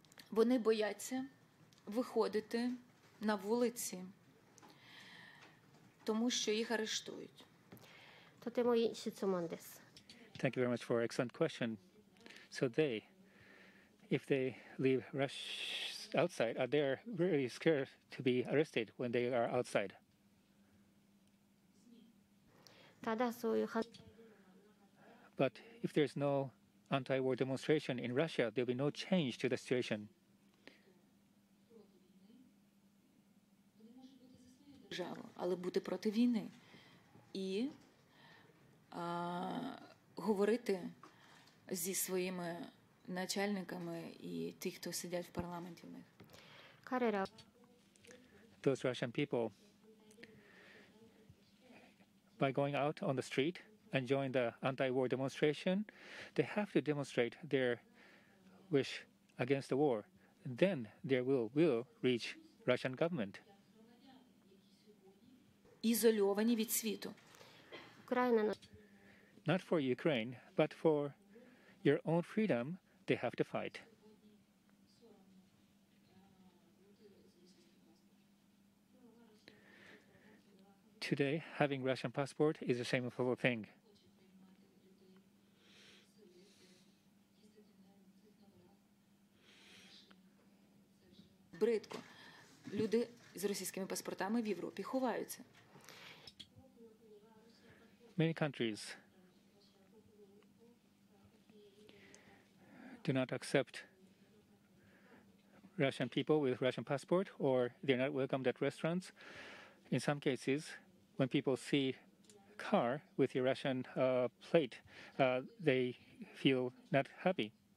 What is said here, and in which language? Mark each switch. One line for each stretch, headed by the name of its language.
Ukrainian: Вони бояться виходити на вулиці, тому що їх арештують.
English: Thank you very much for an excellent question. So they, if they leave Russia, outside, they are really scared to be arrested when they are outside. But if there is no anti-war demonstration in Russia, there will be no change to the situation.
Ukrainian: Але бути проти війни і говорити зі своїми начальниками і тих, хто сидять в парламенті в них.
English: Those Russian people, by going out on the street and join the anti-war demonstration, they have to demonstrate their wish against the war. Then their will reach Russian government.
Ukrainian: Ізольовані від світу.
English: Not for Ukraine, but for your own freedom, they have to fight. Today, having Russian passport is the same for a thing.
Ukrainian: Бридко. Люди з російськими паспортами в Європі ховаються.
English: Many countries do not accept Russian people with Russian passport, or they're not welcomed at restaurants. In some cases, when people see a car with a Russian plate, they feel not happy.